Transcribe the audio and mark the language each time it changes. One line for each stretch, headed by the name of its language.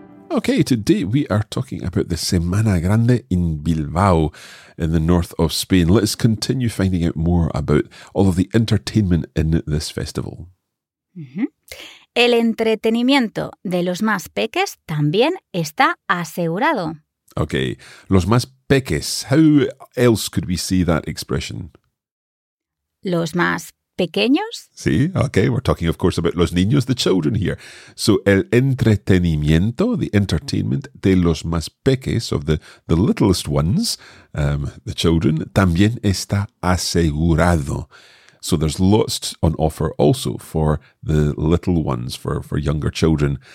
English: Okay, today we are talking about the Semana Grande in Bilbao, in the north of Spain. Let's continue finding out more about all of the entertainment in this festival. Mm-hmm.
Spanish: El entretenimiento de los más peques también está asegurado.
English: Okay,
Spanish: los más peques.
English: How else could we see that expression?
Spanish: Los más pequeños. Sí, okay.
English: We're talking, of course, about
Spanish: los niños,
English: the children here. So
Spanish: el entretenimiento,
English: the entertainment
Spanish: de los más peques,
English: of the littlest ones, the children,
Spanish: también está asegurado.
English: So there's lots on offer also for the little ones, for younger children.